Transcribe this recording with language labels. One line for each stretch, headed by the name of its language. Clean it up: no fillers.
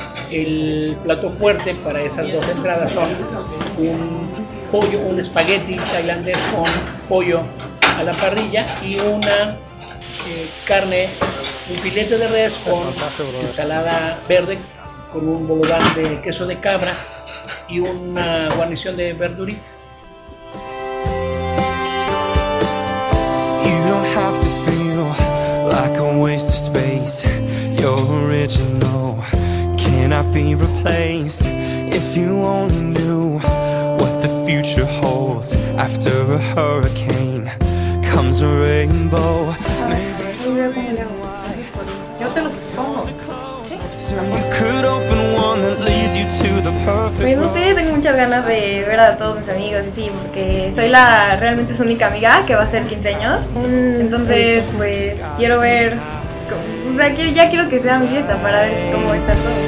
Spanish: El plato fuerte para esas dos entradas son un pollo, un espagueti tailandés con pollo a la parrilla y una carne, un filete de res con ensalada verde con un bolobán de queso de cabra y una guarnición de verduritas.
English: You don't have to feel like a waste of space. You're original. Cannot be replaced. If you only knew what the future holds. After a hurricane comes a rainbow. So you could open one that leads you to the perfect.
Spanish: Me gusta, tengo muchas ganas de ver a todos mis amigos, sí, porque soy la realmente su única amiga que va a ser 15 años. Entonces, pues quiero ver. O sea, ya quiero que sea mi fiesta para ver cómo está todo.